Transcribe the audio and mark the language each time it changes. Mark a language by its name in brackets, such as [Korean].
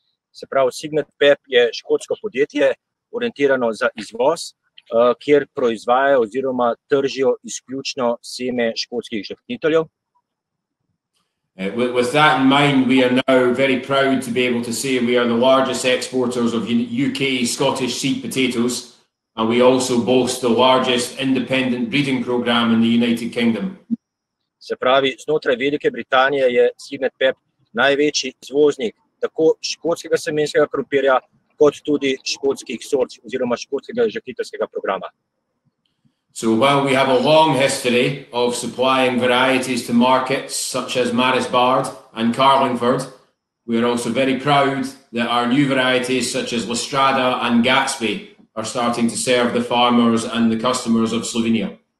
[Slovenian] Se pravi, Signet Pep je škotsko podjetje, orientirano za izvoz, kjer proizvaja oziroma tržijo isključno seme škotskih žrtniteljev. [English] With that in mind, we are now very proud to be able to say we are the largest exporters of UK Scottish seed potatoes. And we also boast the largest independent breeding program in the United Kingdom. [Slovenian] Se pravi, znotraj Velike Britanije je Signet Pep največji izvoznik tako škotskega semenskega krompirja kot tudi škotskih sort oziroma škotskega žakitarskega programa. [English] So while we have a long history of supplying varieties to markets such as Maris Bard and Carlingford, we are also very proud that our new varieties such as Lestrada and Gatsby are starting to serve the farmers and the customers of Slovenia.